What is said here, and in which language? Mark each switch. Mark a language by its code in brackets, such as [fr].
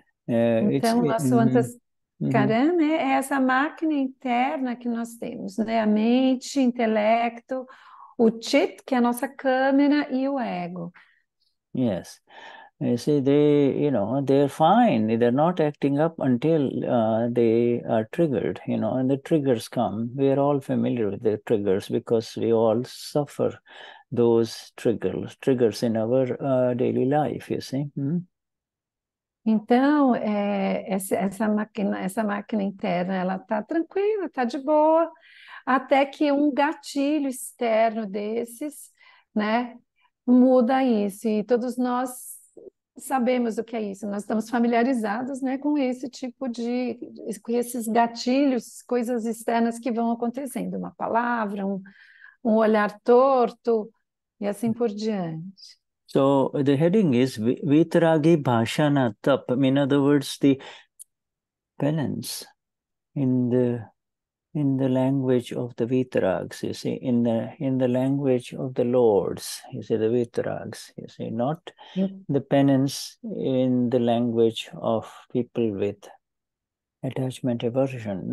[pt] Caramba, é essa máquina interna que nós temos, né? A mente, intelecto, o chit, que é a nossa câmera, e o ego. [en] Yes. You see, they, you know, they're fine. They're not acting up until they are triggered, you know, and the triggers come. We are all familiar with the triggers because we all suffer those triggers in our daily life, you see. [pt] Então, essa máquina interna, ela está tranquila, está de boa, até que um gatilho externo desses, né, muda isso. E todos nós sabemos o que é isso, nós estamos familiarizados, né, com esse tipo de, com esses gatilhos, coisas externas que vão acontecendo, uma palavra, um olhar torto e assim por diante. [en] So the heading is Vitaragi Bhashana Tap. I mean, in other words, the penance in the language of the Vitaragas, you see, in the language of the lords, you see, the Vitaragas, you see, not the penance in the language of people with attachment aversion.